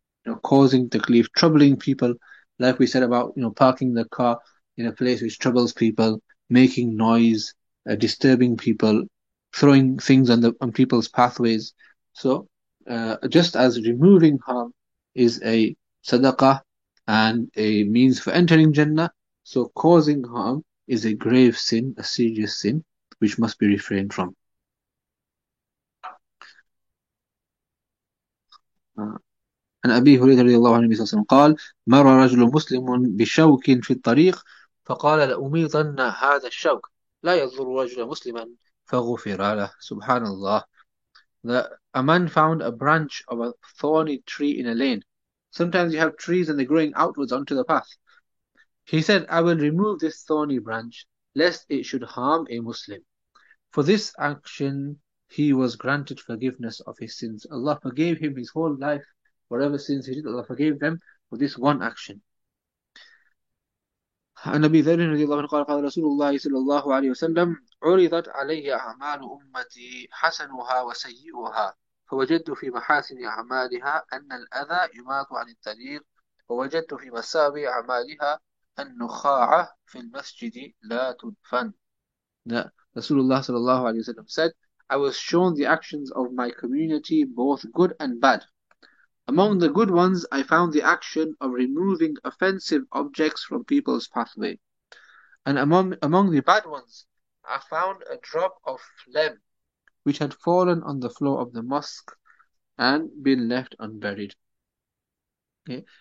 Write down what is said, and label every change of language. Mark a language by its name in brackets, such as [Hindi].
[English] You know, causing takleef, troubling people, like we said about, you know, parking the car in a place which troubles people, making noise, disturbing people, throwing things on people's pathways. So just as removing harm is a sadaqah and a means for entering Jannah, so causing harm is a grave sin, a serious sin, which must be refrained from. And Abi Hurairah radiallahu anhu said, [Arabic] قال مر رجل مسلم بشوك في الطريق فقال لأميطن هذا الشوك لا يضر رجل مسلما فغفر له. Subhanallah. [English] That a man found a branch of a thorny tree in a lane. Sometimes you have trees and they're growing outwards onto the path. He said, I will remove this thorny branch, lest it should harm a Muslim. For this action, he was granted forgiveness of his sins. Allah forgave him his whole life. Whatever sins he did, Allah forgave them for this one action. [Arabic] And Nabi Dharin radiallahu anhu qala Rasulullah sallallahu alayhi wa sallam, عُرِضَتْ عَلَيْهِ أَعْمَالُ أُمَّتِي حَسَنُهَا وَسَيِّئُهَا فوجدت في محاسن أعمالها أن الأذى يماط عن الطريق ووجدت في مساوي أعمالها النخاعة في المسجد لا تدفن. [English] Rasulullah sallallahu alayhi wa sallam said, I was shown the actions of my community, both good and bad. Among the good ones, I found the action of removing offensive objects from people's pathway. And among the bad ones, I found a drop of phlegm which had fallen on the floor of the mosque and been left unburied. Okay.